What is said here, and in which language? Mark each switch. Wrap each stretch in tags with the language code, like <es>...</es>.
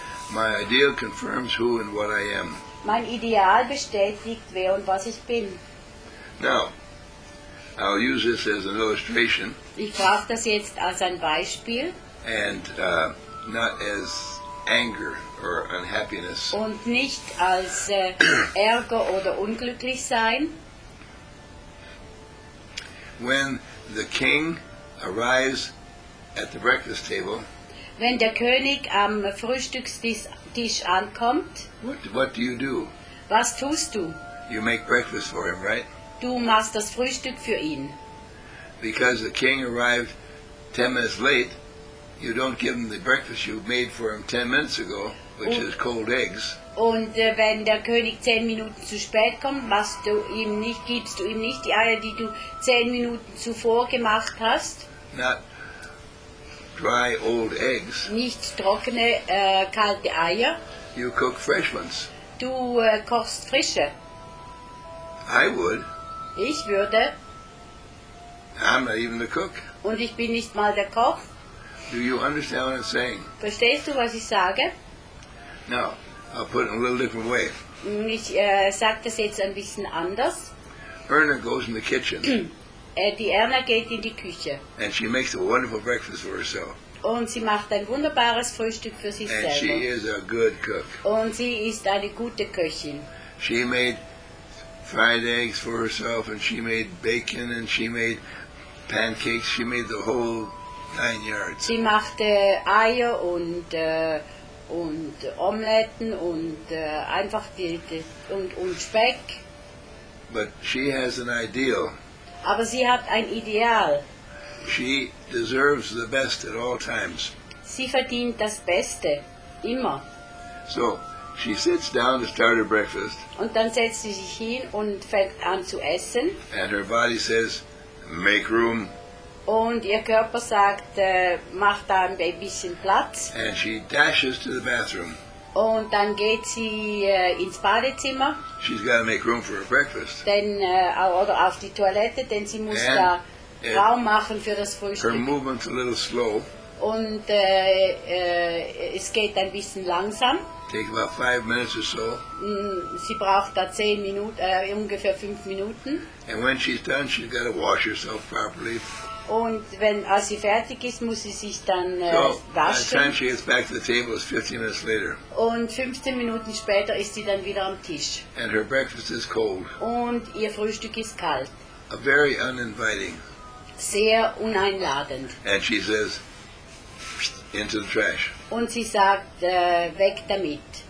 <en>My ideal confirms who and what I am.</en> <de>Mein Ideal bestätigt wer und was ich bin.</de> <en>Now, I'll use this as an illustration.</en> <de>Ich brauche das jetzt als ein Beispiel.</de> <en>And not as anger or unhappiness.</en> <de>Und nicht als Ärger oder unglücklich sein.</de> <en>When the king arrives at the breakfast table.</en> <de>Wenn der König am Frühstückstisch ankommt,</de> <en>what do you do?</en> <de>Was tust du?</de> <en>You make breakfast for him, right?</en> <de>Du machst das Frühstück für ihn.</de> <en>Because the king arrived 10 minutes late, you don't give him the breakfast you made for him 10 minutes ago, which is cold eggs.</en> <de>Und wenn der König 10 Minuten zu spät kommt, gibst du ihm nicht die Eier, die du 10 Minuten zuvor gemacht hast?</de> <en>Not dry old eggs.</en> <de>Nicht trockene kalte Eier.</de> <en>You cook fresh ones.</en> <de>Du kochst frische.</de> <en>I would.</en> <de>Ich würde.</de> <en>I'm not even the cook.</en> <de>Und ich bin nicht mal der Koch.</de> <en>Do you understand what I'm saying?</en> <de>Verstehst du, was ich sage?</de> <en>No, I'll put it in a little different way.</en> <de>Ich sag das jetzt ein bisschen anders.</de> <en>Erna goes in the kitchen.</en> <de>Die Erna geht in die Küche.</de> <en>And she makes a wonderful breakfast for herself.</en> <de>Und sie macht ein wunderbares Frühstück für sich</de> <en>and</en> <de>selber.</de> <en>She is a good cook.</en> <de>Und sie ist eine gute Köchin.</de> <en>She made fried eggs for herself, and she made bacon, and she made pancakes. She made the whole nine yards.</en> <de>Sie machte Eier und Omeletten und einfach und Speck.</de> <en>But she has an ideal.</en> <de>Aber sie hat ein Ideal.</de> <en>She deserves the best at all times.</en> <de>Sie verdient das Beste immer.</de> <en>So she sits down to start her breakfast.</en> <de>Und dann setzt sie sich hin und fängt an zu essen.</de> <en>And her body says, make room.</en> <de>Und ihr Körper sagt, mach da ein bisschen Platz.</de> <en>And she dashes to the bathroom.</en> <de>Und dann geht sie ins Badezimmer.</de> <en>She's got to make room for her breakfast.</en> <de>Denn, oder auf die Toilette, denn sie muss</de> <en>and</en> <de>da Raum machen für das Frühstück.</de> <en>Her movement's a little slow.</en> <de>Und es geht ein bisschen langsam.</de> <en>Take about 5 minutes or so.</en> <de>Sie braucht da 10 Minuten, ungefähr 5 Minuten.</de> <en>And when she's done, she's got to wash herself properly.</en> <de>Und wenn als sie fertig ist, muss sie sich dann waschen.</de> <en>By the time she gets back to the table, it's 15 minutes later.</en> <de>Und 15 Minuten später ist sie dann wieder am Tisch.</de> <en>And her breakfast is cold.</en> <de>Und ihr Frühstück ist kalt.</de> <en>A very uninviting.</en> <de>Sehr uneinladend.</de> <en>And she says, into the trash.</en> <de>Und sie sagt, weg damit.</de>